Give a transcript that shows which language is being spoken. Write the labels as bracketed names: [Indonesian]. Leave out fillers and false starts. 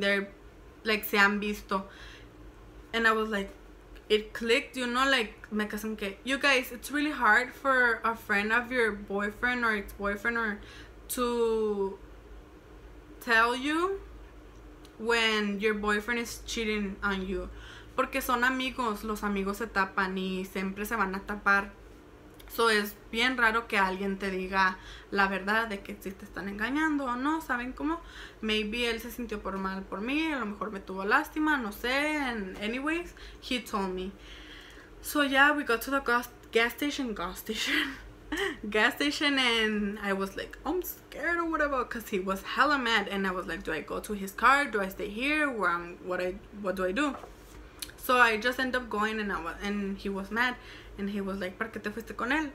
[English] They're, like, [Spanish] se han visto. [English] And I was like, it clicked, you know, like, [Spanish] me casé con que. [English] You guys, it's really hard for a friend of your boyfriend or ex-boyfriend or to tell you when your boyfriend is cheating on you. [Spanish] Porque son amigos, los amigos se tapan y siempre se van a tapar. So, es bien raro que alguien te diga la verdad de que si te están engañando o no, ¿saben cómo? Maybe él se sintió por mal por mí, a lo mejor me tuvo lástima, no sé. [English] And anyways, he told me. So, yeah, we got to the gas station, and I was like, I'm scared or whatever, because he was hella mad. And I was like, do I go to his car? Do I stay here? What do I do? So, I just end up going, and he was mad. And he was like, [Spanish] ¿por qué te fuiste con él?